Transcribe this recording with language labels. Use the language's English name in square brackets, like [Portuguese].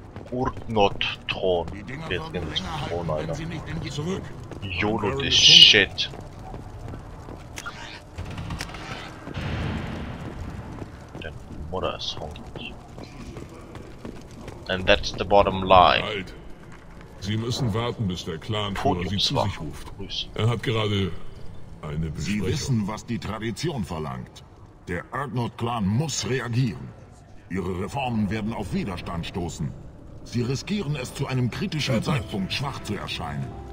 [German] Urknot-Thron. Jetzt nehmen Sie den Thron, Alter. [English] Yolo the shit. [German] Denn Mutter ist hungrig. [English] And that's the bottom line. [German] Sie müssen warten, bis der Clan-Führer Sie zu sich ruft. Er hat gerade eine Besprechung. Sie wissen, was die Tradition verlangt. Der Urknot-Clan muss reagieren. Ihre Reformen werden auf Widerstand stoßen. Sie riskieren es, zu einem kritischen Zeitpunkt schwach zu erscheinen.